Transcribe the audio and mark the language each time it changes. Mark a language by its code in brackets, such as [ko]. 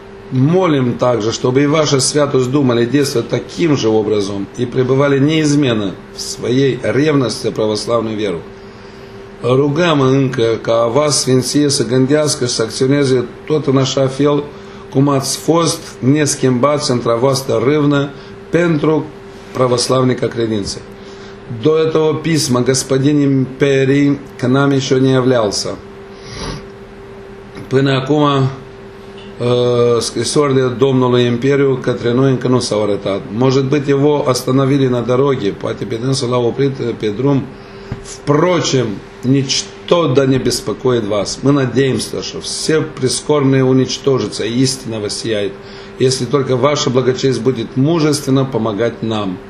[ru] Молим также, чтобы и ваша святость думали действовать таким же образом и пребывали неизменно в своей ревности православную веру. [ro] Rugăm încă ca вас, Sfinție, să gândească și să acționeze tot în așa fel cum ați fost neschimbați într-a voastră râvnă pentru pravoslavnica credință. [ru] До этого письма господин империи к нам еще не являлся. [ro] Până acum scrisorile Domnului Imperiu către noi încă nu s-au arătat. [ru] Может быть, его остановили на дороге, [ro] poate pe dânsul l-au oprit pe drum. [ru] Впрочем, ничто да не беспокоит вас. Мы надеемся, что все прискорбные уничтожатся, и истина воссияет, если только ваша благочесть будет мужественно помогать нам.